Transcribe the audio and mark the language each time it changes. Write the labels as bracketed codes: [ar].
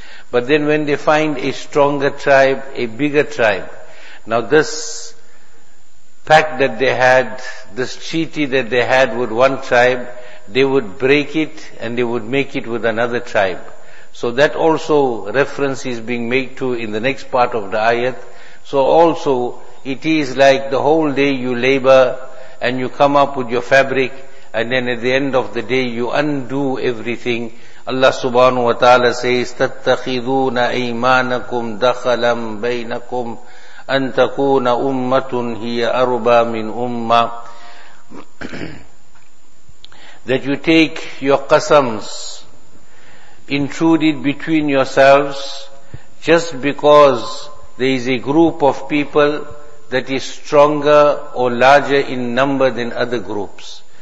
[en] But then when they find a stronger tribe, a bigger tribe, now this pact that they had, this treaty that they had with one tribe, they would break it and they would make it with another tribe. So that also reference is being made to in the next part of the ayat. So also it is like the whole day you labor and you come up with your fabric, and then at the end of the day you undo everything. Allah subhanahu wa ta'ala says, [ar] تَتَّخِذُونَ أَيْمَانَكُمْ دَخَلًا بَيْنَكُمْ أَن تَكُونَ أُمَّةٌ هِيَ أَرُبَى مِنْ أُمَّةٌ. [en] That you take your qasams, intrude it between yourselves, just because there is a group of people that is stronger or larger in number than other groups.